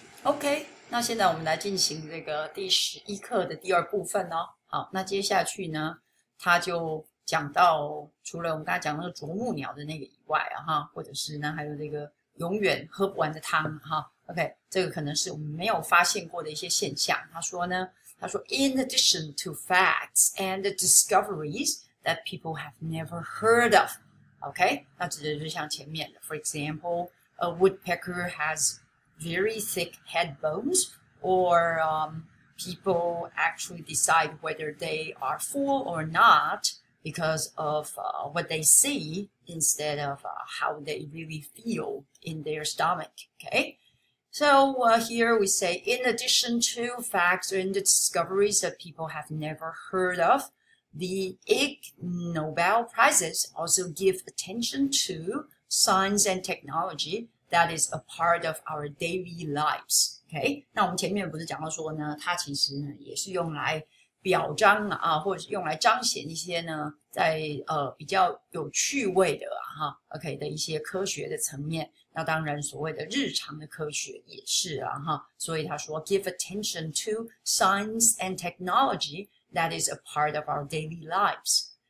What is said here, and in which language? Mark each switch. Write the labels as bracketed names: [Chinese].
[Chinese] OK，那现在我们来进行这个第11课的第二部分哦。好，那接下去呢，他就讲到除了我们刚才讲那个啄木鸟的那个以外啊，哈，或者是呢，还有那个永远喝不完的汤哈。 OK，这个可能是我们没有发现过的一些现象。他说呢，他说， [English] In addition to facts and discoveries that people have never heard of，OK， [Chinese] 那指的就是像前面的， [English] For example，a woodpecker has very thick head bones, or people actually decide whether they are full or not because of what they see instead of how they really feel in their stomach. Okay, so here we say, in addition to facts and discoveries that people have never heard of, the Ig Nobel Prizes also give attention to science and technology that is a part of our daily lives. [Chinese] Okay，那我们前面不是讲到说呢，它其实呢也是用来表彰啊，或者是用来彰显一些呢，在比较有趣味的哈、OK 的一些科学的层面。那当然，所谓的日常的科学也是啊哈。所以他说， [English] give attention to science and technology that is a part of our daily lives.